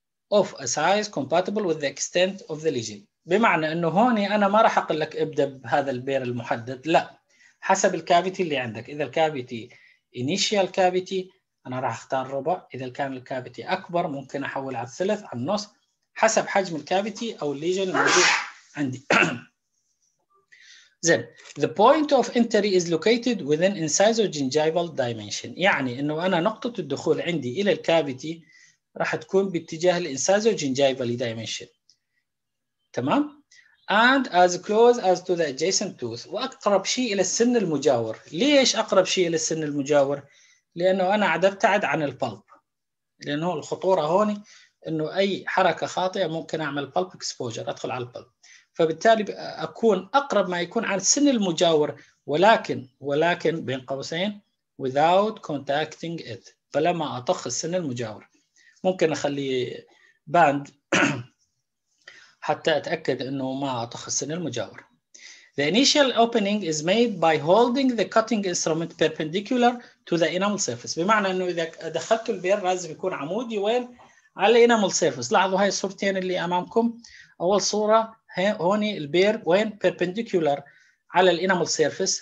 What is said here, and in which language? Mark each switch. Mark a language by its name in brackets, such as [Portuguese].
[English] of a size compatible with the extent of the lesion. [Arabic] بمعنى أنه هوني أنا ما راح أقول لك ابدأ بهذا البير المحدد، لا، حسب الكافيتي اللي عندك. إذا الكافيتي initial cavity أنا راح أختار ربع، إذا كان الكافيتي أكبر ممكن أحول على الثلث على النص، حسب حجم الكافيتي أو الليجن الموجود عندي. [English] Then the point of entry is located within incisor gingival dimension. [Arabic] يعني أنه أنا نقطة الدخول عندي إلى الكافيتي راح تكون باتجاه الانسايزور جينجايفال دايمنشن، تمام؟ [English] And as close as to the adjacent tooth، [Arabic] وأقرب شيء إلى السن المجاور. ليش أقرب شيء إلى السن المجاور؟ لأنه أنا عاد أبتعد عن البلب، لأنه الخطورة هون إنه أي حركة خاطئة ممكن أعمل بلب إكسبوجر، أدخل على البلب، فبالتالي أكون أقرب ما يكون عن السن المجاور، ولكن بين قوسين [English] without contacting it، [Arabic] فلما أطخ السن المجاور. ممكن أخلي باند حتى أتأكد أنه ما أطخ السن المجاور. [English] The initial opening is made by holding the cutting instrument perpendicular to the enamel surface. [Arabic] بمعنى أنه إذا دخلت البير لازم يكون عمودي وين؟ على الانامل surface. لاحظوا هاي الصورتين اللي أمامكم. أول صورة هوني البير وين؟ perpendicular على الانامل surface.